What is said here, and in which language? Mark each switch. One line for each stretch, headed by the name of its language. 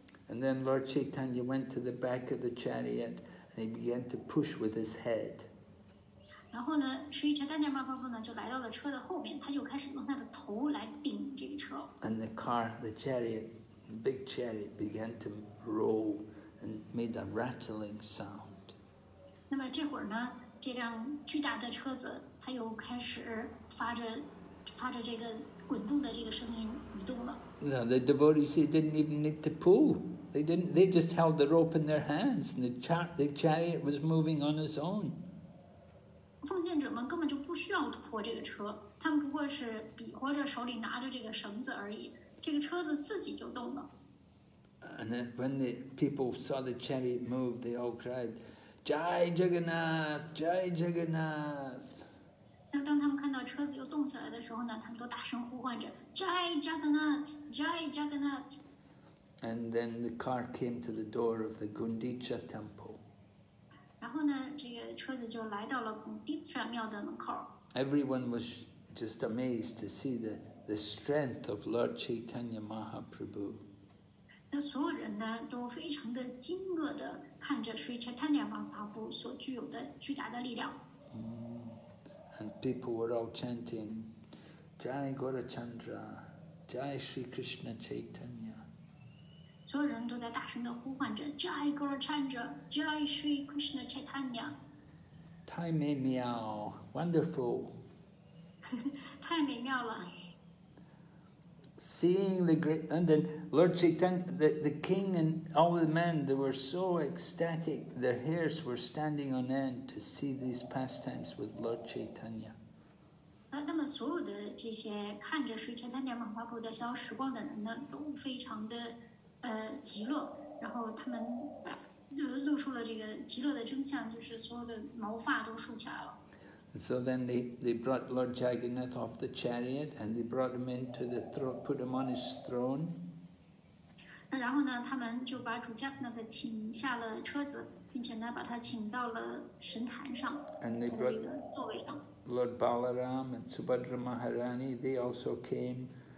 English: And then Lord Chaitanya went to the back of the chariot and he began to push with his head.
Chinese: 然后呢，水车丹加玛巴布呢就来到了车的后面，他就开始用他的头来顶这个车。
English: And the car, the chariot, big chariot began to roll and made a rattling sound.
Chinese: 那么这会儿呢，这辆巨大的车子，它又开始发着这个滚动的这个声音移动了。
English: No, the devotees didn't even need to pull. They just held the rope in their hands, and the chariot was moving on its own.
Chinese: 奉献者们根本就不需要拖这个车，他们不过是比划着手里拿着这个绳子而已，这个车子自己就动了。
English: And then when the people saw the chariot move, they all cried, Jai Jagannath, Jai Jagannath.
Chinese: 那当他们看到车子又动起来的时候呢，他们都大声呼唤着 Jai Jagannath, Jai Jagannath.
English: And then the car came to the door of the Gundicha temple.
Chinese: 然后呢，这个车子就来到了孔蒂沙庙的门口。
English: Everyone was just amazed to see the strength of Lord Chaitanya Mahaprabhu.
Chinese: 那所有人呢都非常的惊愕的看着 Sri Chaitanya Mahaprabhu 所具有的巨大的力量。
English: And people were all chanting, Jai Gaurachandra, Jai Sri Krishna Chaitanya.
Chinese: 所有人都在大声的呼唤着 Jai Gaurachandra, Jai Sri Krishna Chaitanya. Tai Mei Miao,
English: wonderful.
Chinese: 太美妙了。
English: Seeing the great, and then Lord Chaitanya, the king and all the men, they were so ecstatic, their hairs were standing on end to see these pastimes with Lord Chaitanya.
Chinese: 那么所有的这些看着水城丹田马花布的逍遥时光的人呢，都非常的极乐，然后他们露出了这个极乐的真相，就是所有的毛发都竖起来了。
English: So then they brought Lord Jagannath off the chariot and they brought him into the throne, put him on his throne.
Chinese: 那然后呢，他们就把主驾那个请下了车子，并且呢把他请到了神坛上。
English: And they brought
Chinese: 他的那个座位上。
English: Lord Balaram and Subhadra Maharani, they also came.